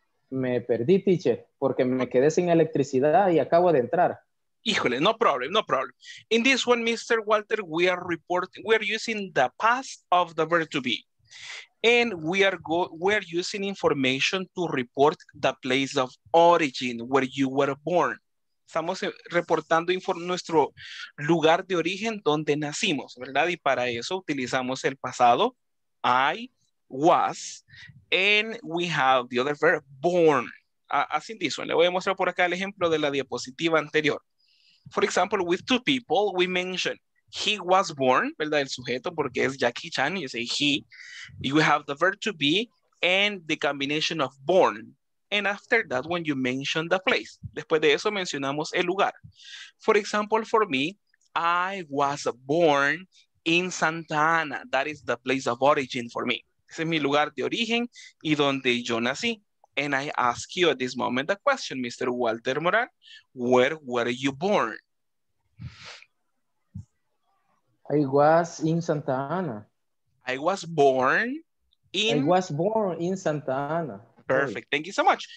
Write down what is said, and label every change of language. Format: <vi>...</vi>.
<es>Me perdí, teacher, porque me quedé sin electricidad y acabo de entrar. Híjole,</es> <en>no problem, no problem. In this one, Mr. Walter, we are reporting, we are using the past of the verb to be. And we're using information to report the place of origin where you were born.</en> <es>Estamos reportando nuestro lugar de origen donde nacimos, ¿verdad? Y para eso utilizamos el pasado,</es> <en>I was,</en> <es>and we have the other verb, born. Así dice, le voy a mostrar por acá el ejemplo de la diapositiva anterior.</es> <en>For example, with two people, we mentioned, he was born,</en> <es>¿verdad? El sujeto, porque es</es> <en>Jackie Chan, you say he. You have the verb to be and the combination of born. And after that, when you mention the place.</en> <es>Después de eso, mencionamos el lugar.</es> <en>For example, for me, I was born in Santa Ana. That is the place of origin for me.</en> <es>Ese es mi lugar de origen y donde yo nací.</es> <en>And I ask you at this moment a question, Mr. Walter Moran. Where were you born? I was in Santa Ana. I was born in? I was born in Santa Ana. Perfect. Thank you so much.</en>